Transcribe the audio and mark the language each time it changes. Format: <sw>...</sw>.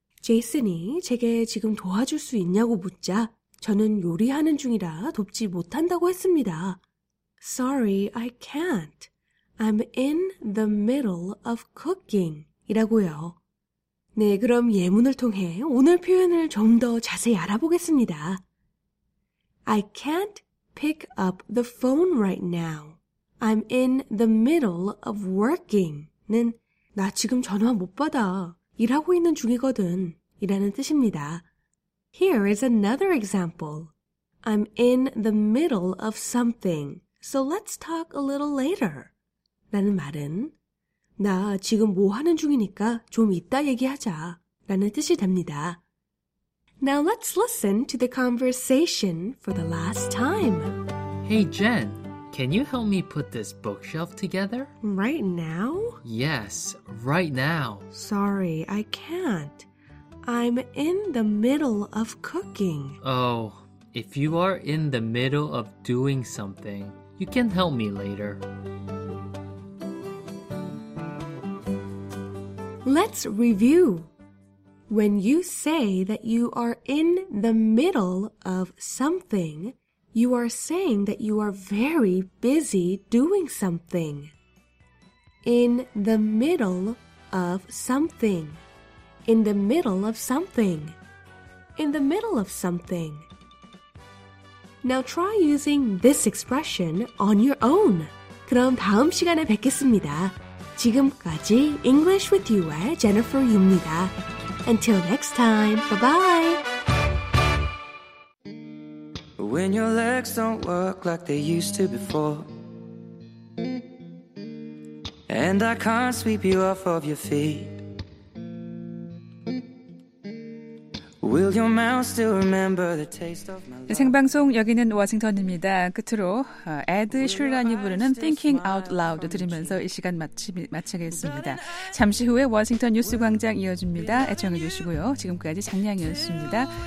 <ko>제이슨이 제게 지금 도와줄 수 있냐고 묻자 저는 요리하는 중이라 돕지 못한다고 했습니다.</ko> <en>Sorry, I can't. I'm in the middle of cooking</en> <ko>이라고요. 네, 그럼 예문을 통해 오늘 표현을 좀 더 자세히 알아보겠습니다.</ko> <en>I can't pick up the phone right now. I'm in the middle of working.</en> <ko>는 나 지금 전화 못 받아. 일하고 있는 중이거든. 이라는 뜻입니다.</ko> <en>Here is another example. I'm in the middle of something. So let's talk a little later.</en> <ko>라는 말은 나 지금 뭐 하는 중이니까 좀 이따 얘기하자 라는 뜻이 됩니다.</ko> <en>Now let's listen to the conversation for the last time. Hey Jen, can you help me put this bookshelf together? Right now? Yes, right now. Sorry, I can't. I'm in the middle of cooking. Oh, if you are in the middle of doing something, you can help me later. Let's review. When you say that you are in the middle of something, you are saying that you are very busy doing something. In the middle of something. In the middle of something. In the middle of something. Now try using this expression on your own.</en> <ko>그럼 다음 시간에 뵙겠습니다. 지금까지 English with You의 Jennifer입니다.</ko> <en>Until next time, bye-bye! When your legs don't work like they used to before And I can't sweep you off of your feet Will your mouth still remember the taste of my love?</en> <ko>생방송 여기는 워싱턴입니다. 끝으로 에드 슐란이 부르는 Thinking Out Loud 들으면서 이 시간 마치겠습니다. 잠시 후에 워싱턴 뉴스 광장 이어집니다. 애청해 주시고요. 지금까지 장량이었습니다.</ko>